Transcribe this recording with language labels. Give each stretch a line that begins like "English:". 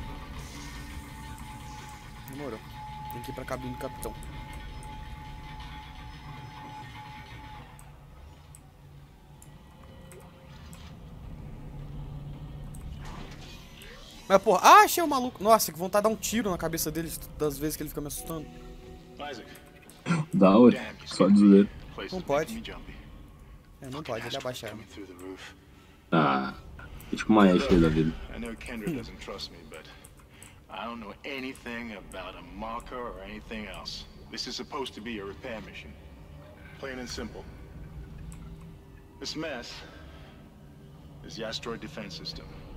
English: We've got to get the ADS working.
Portuguese: Demorou. Tem que ir pra cabine do capitão. Mas porra, ah, achei o maluco. Nossa, que vontade de dar um tiro na cabeça dele das vezes que ele fica me assustando. Da hora. Só dizer. Não pode. É, não pode, ele abaixar. É tipo uma Ashley da vida.
English: I know Kendra doesn't trust me, but I don't know anything about a marker or anything else. This is supposed to be a repair mission. Plain and simple. This mess is the asteroid defense system.